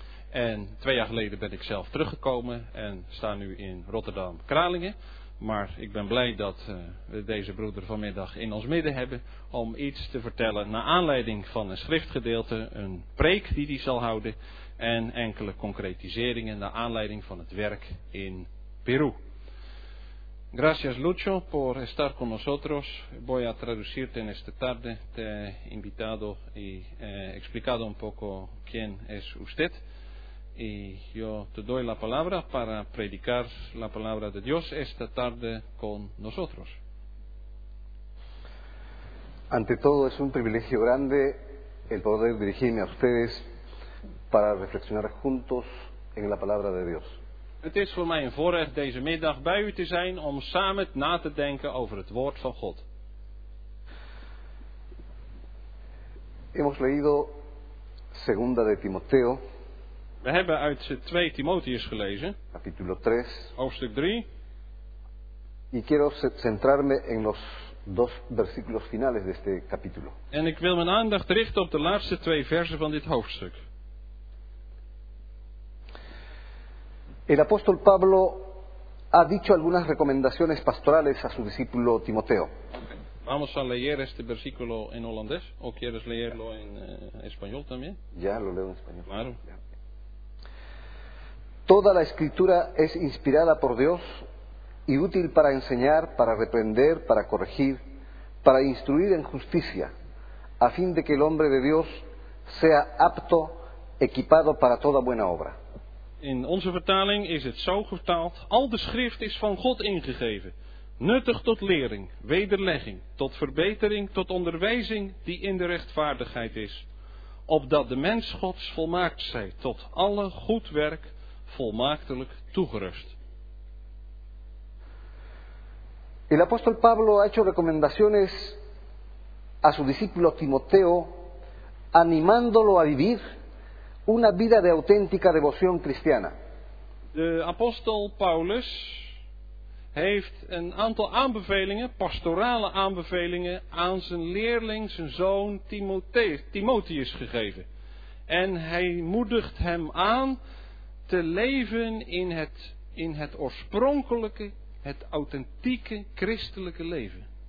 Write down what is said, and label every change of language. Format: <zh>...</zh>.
<nl>En 2 jaar geleden ben ik zelf teruggekomen en sta nu in Rotterdam-Kralingen. Maar ik ben blij dat we deze broeder vanmiddag in ons midden hebben om iets te vertellen naar aanleiding van een schriftgedeelte, een preek die hij zal houden en enkele concretiseringen naar aanleiding van het werk in Peru.</nl> <es>Gracias Lucho por estar con nosotros. Voy a traducir en esta tarde, te invitado y explicado un poco quién es usted. Y yo te doy la palabra para predicar la palabra de Dios esta tarde con nosotros. Ante todo es un privilegio grande el poder dirigirme a ustedes para reflexionar juntos en la palabra de Dios.</es> <nl>Het is voor mij een voorrecht deze middag bij u te zijn om samen na te denken over het woord van God.</nl> <es>Hemos leído Segunda de Timoteo.</es> <nl>We hebben uit 2 Timotheus gelezen.</nl> <es>Capítulo 3.</es> <nl>Hoofdstuk 3.</nl> <es>Y quiero centrarme en los 2 versículos finales de este capítulo.</es> <nl>En ik wil mijn aandacht richten op de laatste 2 versen van dit hoofdstuk.</nl> <es>El apóstol Pablo ha dicho algunas recomendaciones pastorales a su discípulo Timoteo. Vamos a leer este versículo en holandés o quieres leerlo en español también? Ya lo leo en español. Claro. Toda la escritura es inspirada por Dios y útil para enseñar, para reprender, para corregir, para instruir en justicia, a fin de que el hombre de Dios sea apto, equipado para toda buena obra.</es> <nl>In onze vertaling is het zo vertaald: al de schrift is van God ingegeven, nuttig tot lering, wederlegging, tot verbetering, tot onderwijzing die in de rechtvaardigheid is, opdat de mens Gods volmaakt zij tot alle goed werk, volmaaktelijk toegerust.</nl> <es>El apóstol Pablo ha hecho recomendaciones a su discípulo Timoteo, animándolo a vivir una vida de auténtica devoción cristiana.</es> <nl>De apóstol Paulus heeft een aantal aanbevelingen, pastorale aanbevelingen, aan zijn leerling, zijn zoon Timotheus gegeven. En hij moedigt hem aan te leven in het oorspronkelijke, het authentieke christelijke leven.</nl>